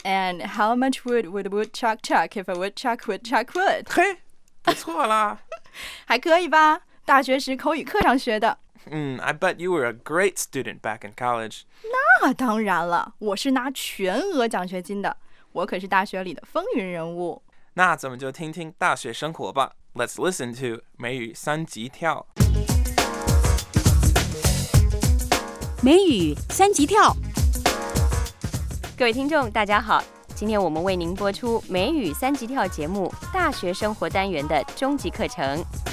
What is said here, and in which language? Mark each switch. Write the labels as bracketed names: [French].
[English] And how much wood would a woodchuck chuck if a woodchuck would chuck wood? [Chinese] 嘿，不错啦。还可以吧，大学时口语课上学的。 [English] I bet you were a great student back in college. [Chinese] 那当然了，我是拿全额奖学金的，我可是大学里的风云人物。那咱们就听听大学生活吧。 [English] Let's listen to 美语三级跳。 [Chinese] 美语三级跳，各位听众大家好，今天我们为您播出美语三级跳节目大学生活单元的终极课程。